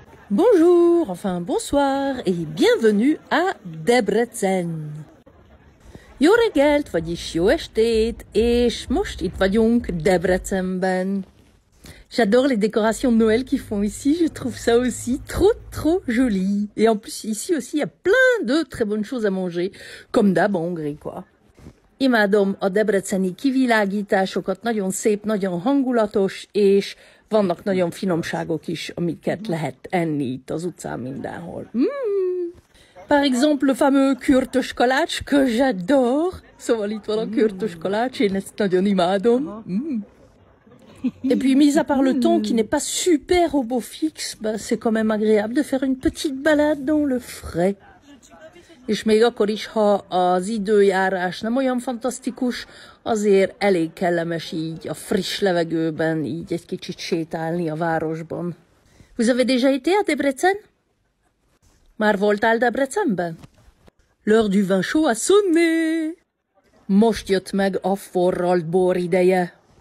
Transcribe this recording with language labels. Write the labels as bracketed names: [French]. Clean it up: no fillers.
[French] Bonjour, enfin bonsoir et bienvenue à Debrecen. [Hungarian] Jó reggelt, vagyis jó estét, és most itt vagyunk Debrecenben. [French] J'adore les décorations de Noël qu'ils font ici, je trouve ça aussi trop trop joli. Et en plus ici aussi il y a plein de très bonnes choses à manger, comme d'hab en Hongrie quoi. [Hungarian] Imádom a debreceni kivilágításokat, nagyon szép, nagyon hangulatos, és vannak nagyon finomságok is, amiket lehet enni itt az utcán mindenhol. [French] Par exemple, le fameux kürtös kalács, que j'adore. [Hungarian] Szóval itt van a kürtös kalács, én ezt nagyon imádom. [French] Et puis, mis à part le temps qui n'est pas super au beau fixe, bah, c'est quand même agréable de faire une petite balade dans le frais. [Hungarian] És még akkor is, ha az időjárás nem olyan fantasztikus, azért elég kellemes így a friss levegőben, így egy kicsit sétálni a városban. [French] Vous avez déjà été à Debrecen? [Hungarian] Már voltál Debrecenben? [French] L'heure du vin chaud a sonné! [Hungarian] Most jött meg a forralt bor ideje.